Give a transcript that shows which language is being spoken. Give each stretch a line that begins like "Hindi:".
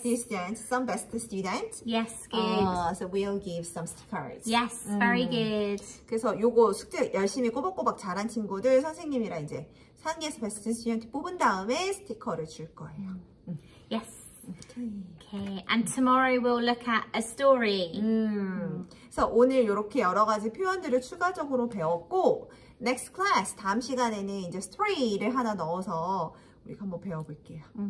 English: Best student, some best student. Yes, good. So we'll give some stickers. Yes, very good.
Korean: 그래서 요거 숙제 열심히 꼬박꼬박 잘한 친구들 선생님이랑 이제 상기에서
English: best student
Korean: 뽑은 다음에 스티커를 줄 거예요.
English: Yes. Okay. Okay. And tomorrow we'll look at a story.
Korean: 그래서 오늘 이렇게 여러 가지 표현들을 추가적으로 배웠고
English: next class
Korean: 다음 시간에는 이제 story를 하나 넣어서 우리 한번 배워볼게요.